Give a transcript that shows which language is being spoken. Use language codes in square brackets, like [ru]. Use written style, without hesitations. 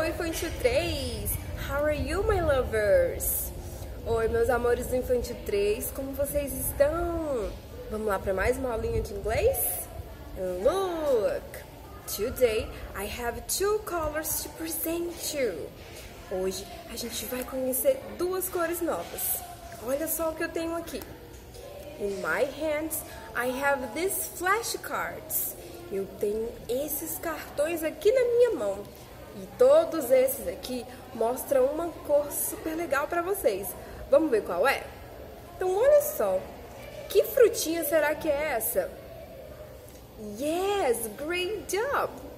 [en] Infantil 3, how are you, my lovers? [pt] Oi, meus amores do Infantil 3, como vocês estão? Vamos lá para mais uma aulinha de inglês? [en] Look, today I have two colors to present you. [pt] Hoje a gente vai conhecer duas cores novas. Olha só o que eu tenho aqui. [en] In my hands, I have these flashcards. [pt] Eu tenho esses cartões aqui na minha mão. E todos esses aqui mostram uma cor super legal para vocês. Vamos ver qual é? Então, olha só. Que frutinha será que é essa? [en] Yes, great job!